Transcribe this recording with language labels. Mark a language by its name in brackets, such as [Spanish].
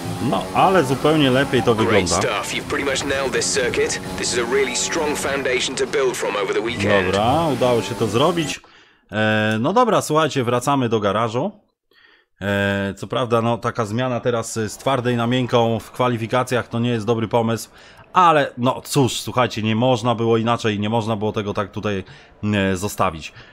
[Polish] No, ale zupełnie lepiej to wygląda. [English] Great stuff. You've pretty much nailed this circuit. This is a really strong foundation to build from over the weekend. [Polish] Dobra, udało się to zrobić. No dobra, słuchajcie, wracamy do garażu. Co prawda, no taka zmiana teraz z twardej na miękką w kwalifikacjach to nie jest dobry pomysł. Ale no cóż, słuchajcie, nie można było inaczej, nie można było tego tak tutaj zostawić.